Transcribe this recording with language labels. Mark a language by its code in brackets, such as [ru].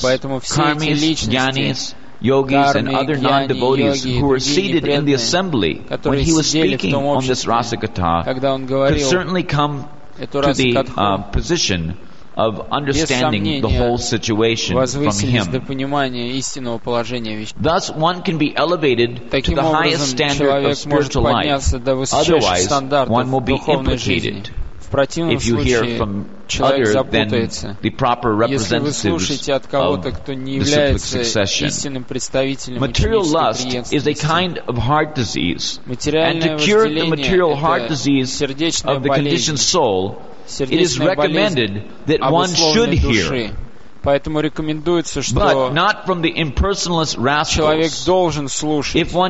[ru] Поэтому все эти личности, [en] yogis and other non-devotees who were seated in the assembly when he was speaking on this Rasakatha could certainly come to the position of understanding the whole situation from him. Thus, one can be elevated to the highest standard of spiritual life. Otherwise, one will be implicated. If you hear from other than the proper representatives of the cyclic succession, material lust is a kind of heart disease, and to cure the material heart disease of the conditioned soul, it is recommended that one should hear. [ru] Поэтому рекомендуется, что человек должен слушать